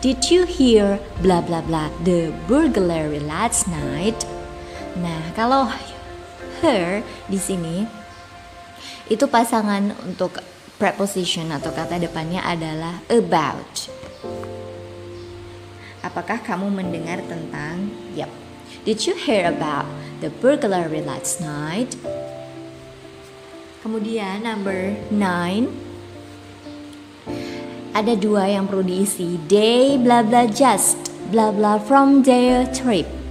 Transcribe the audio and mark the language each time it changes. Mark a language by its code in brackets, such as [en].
[en] Did you hear blah blah blah the burglary last night? [id] Nah, kalau her di sini itu pasangan untuk preposition atau kata depannya adalah about. Apakah kamu mendengar tentang? Yep. [en] Did you hear about the burglary last night? [id] Kemudian number 9. Ada dua yang perlu diisi. [en] They blah blah just blah blah from their trip.